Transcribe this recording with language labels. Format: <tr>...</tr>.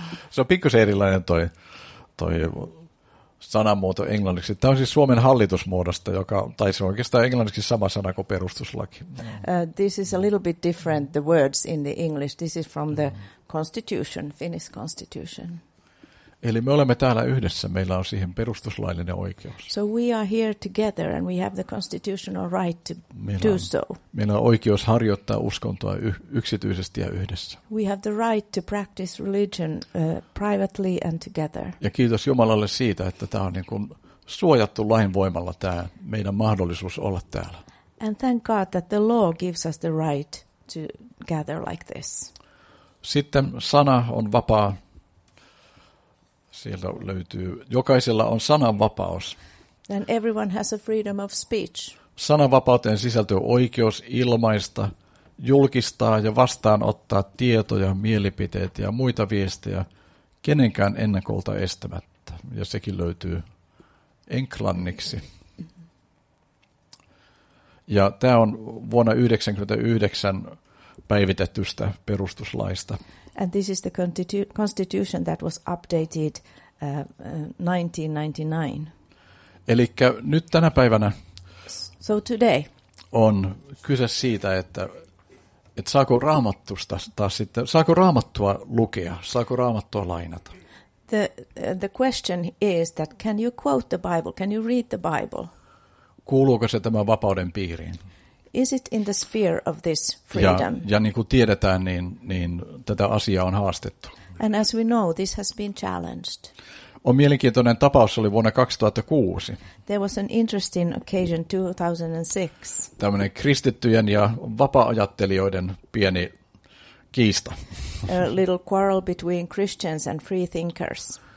<fi>Se on pikkusen erilainen toi sanamuoto englanniksi. Tämä on siis Suomen hallitusmuodosta, joka, tai se on oikeastaan englanniksi sama sana kuin perustuslaki.</fi> <en>This is a little bit different, the words in the English. This is from the constitution, Finnish constitution.</en> <fi>Eli me olemme täällä yhdessä, meillä on siihen perustuslaillinen oikeus.</fi> <en>So we are here together and we have the constitutional right to do so.</en> <fi>Meillä on oikeus harjoittaa uskontoa yksityisesti ja yhdessä.</fi> <en>We have the right to practice religion privately and together.</en> <fi>Ja kiitos Jumalalle siitä, että tämä on niin kuin suojattu lain voimalla tämä meidän mahdollisuus olla täällä.</fi> <en>And thank God that the law gives us the right to gather like this.</en> <fi>Sitten sana on vapaa. Sieltä löytyy, jokaisella on sananvapaus.</fi> <en>And everyone has a freedom of speech.</en> <fi>Sananvapauteen sisältyy oikeus ilmaista, julkistaa ja vastaanottaa tietoja, mielipiteitä ja muita viestejä kenenkään ennakolta estämättä. Ja sekin löytyy englanniksi. Ja tämä on vuonna 1999 päivitettystä perustuslaista.</fi> <en>And this is the constitution that was updated 1999.</en> <fi>Eli nyt tänä päivänä</fi> <en>so today</en> <fi>on kyse siitä, että saako Raamattusta taas sitten, saako Raamattua lukea, saako Raamattua lainata.</fi> <en>The question is that can you quote the Bible, can you read the Bible?</en> <fi>Kuuluuko se tämän vapauden piiriin?</fi> <en>Is it in the sphere of this freedom?</en> <fi>Ja niin kuin tiedetään, niin tätä asiaa on haastettu.</fi> <en>And as we know, this has been challenged.</en> <fi>On mielenkiintoinen tapaus, oli vuonna 2006.</fi> <en>There was an interesting occasion 2006.</en> <fi>Tämmöinen kristittyjen ja vapaa-ajattelijoiden pieni kiista.</fi> <en>A little quarrel between Christians and free thinkers.</en>